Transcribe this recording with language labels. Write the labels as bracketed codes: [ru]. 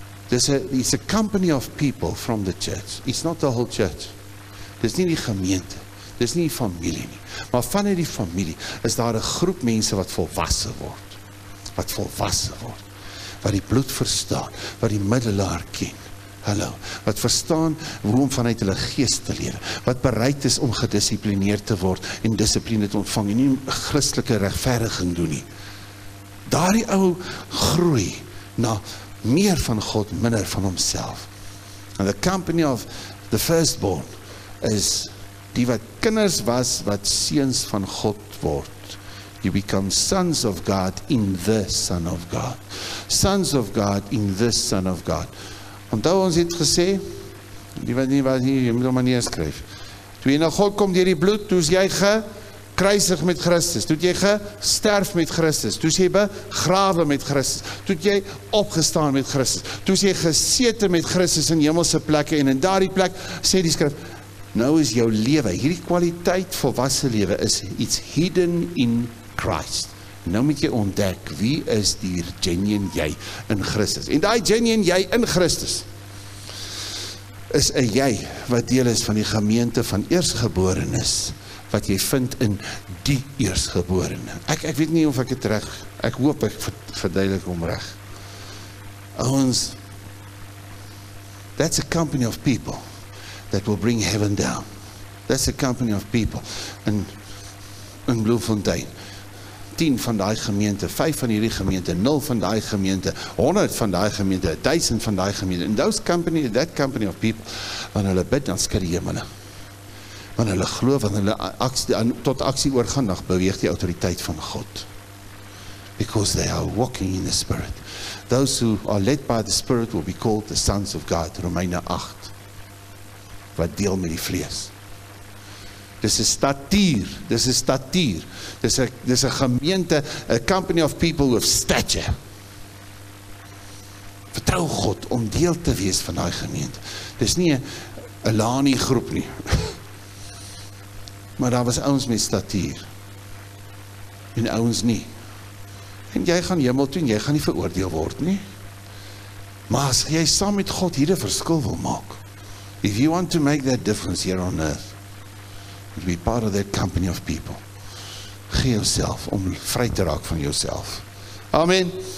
[en] It's a company of people from the church. It's not the whole church. [af] Dit is nie die gemeente. Dit is nie familie nie. Maar vanuit die familie is daar een groep mense wat volwassen word. Wat volwassen word. Wat die bloed verstaan. Wat die middelaar ken. Hallo. Wat verstaan hoe om vanuit hulle geest te leven. Wat bereid is om gedisciplineerd te word. En discipline te ontvang. En nie christelike rechtvaardiging doen nie. Daar die ou groei na meer van God, minder van homself. [en] And the company of the firstborn is [af] die wat kinders was, wat seuns van God word. [en] You become sons of God in the Son of God. Sons of God in the Son of God. [af] Onthou ons het gesê, die wat nie was nie, jy moet hom neerskryf. Toe jy na God kom deur die bloed, toe is jy gekruisig met Christus. Toe jy gesterf met Christus. Toe is jy begrawe met Christus. Toe jy opgestaan met Christus. Toe is jy gesete met Christus in hemelse plekke. En in daardie plek sê die skrif, nou is jou lewe, hierdie kwaliteit volwassen lewe is iets [en] hidden in Christ. [af] Nou moet jy ontdek, wie is die genuine jy in Christus? En die genuine jy in Christus is een jy wat deel is van die gemeente van eersgeborenes, wat jy vind in die eersgeborene. Ek weet nie of ek het reg, ek hoop ek verduidelik om reg. [en] Ons, that's a company of people that will bring heaven down. That's a company of people. [af] In Bloemfontein, 10 van die gemeente, 5 van die gemeente, 0 van die gemeente, 100 van die gemeente, 1000 van die gemeente, [en] and those company, that company of people, [af] wanneer hulle bid, dan skry die hemel. Wanneer hulle glo, wanneer hulle tot aksie oorgaan, dan beweeg die autoriteit van God. [en] Because they are walking in the Spirit. Those who are led by the Spirit will be called the sons of God. [af] Romeine 8. Wat deel met die vlees. Dis een statuur, dis een statuur, dis een gemeente, [en] a company of people with stature. [af] Vertrou God om deel te wees van die gemeente. Dis nie een lani groep nie. Maar daar was ouwens met statuur. En ouwens nie. En jy gaan hemel toe en jy gaan nie veroordeel word nie. Maar as jy saam met God hier een verskil wil maak, [en] if you want to make that difference here on earth, be part of that company of people. [af] Gee yourself om vry te raak van yourself. Amen.